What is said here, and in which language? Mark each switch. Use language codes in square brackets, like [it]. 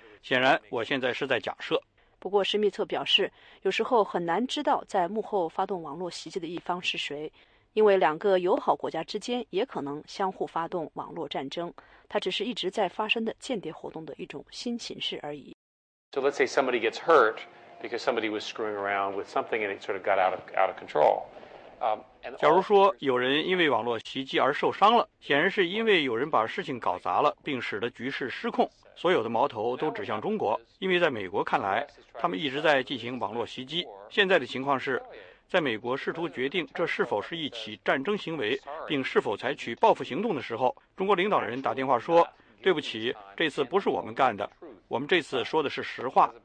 [zh] 显然，我现在是在假设。不过施密特表示，有时候很难知道在幕后发动网络袭击的一方是谁，因为两个友好国家之间也可能相互发动网络战争，它只是一直在发生的间谍活动的一种新形式而已。 [en] So let's say somebody gets hurt because somebody was screwing around with something and it sort of got out of control. [zh] 假如说有人因为网络袭击而受伤了，显然是因为有人把事情搞砸了，并使得局势失控。所有的矛头都指向中国，因为在美国看来，他们一直在进行网络袭击。现在的情况是，在美国试图决定这是否是一起战争行为，并是否采取报复行动的时候，中国领导人打电话说，对不起，这次不是我们干的，我们这次说的是实话。